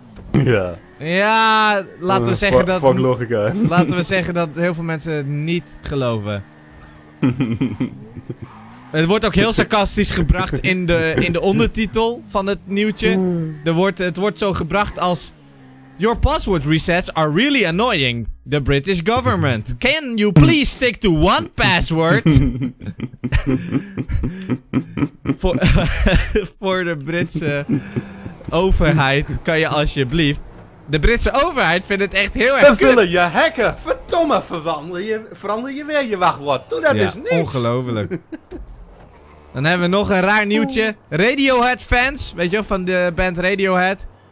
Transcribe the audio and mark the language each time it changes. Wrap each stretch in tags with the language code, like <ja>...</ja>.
<nl>Ja. Ja, laten we zeggen dat... Fuck logica. Laten we zeggen dat heel veel mensen niet geloven. Het wordt ook heel sarcastisch gebracht in de ondertitel van het nieuwtje. Het wordt zo gebracht als...</nl> <en>Your password resets are really annoying, the British government. Can you please stick to one password?</en> <nl>voor de Britse overheid kan je alsjeblieft... De Britse overheid vindt het echt heel erg kut. We willen je hacken. Verdomme, verander je weer je wachtwoord. Doe dat eens niet. Ongelooflijk. Dan hebben we nog een raar nieuwtje. Radiohead fans, weet je wel, van de band Radiohead.</nl>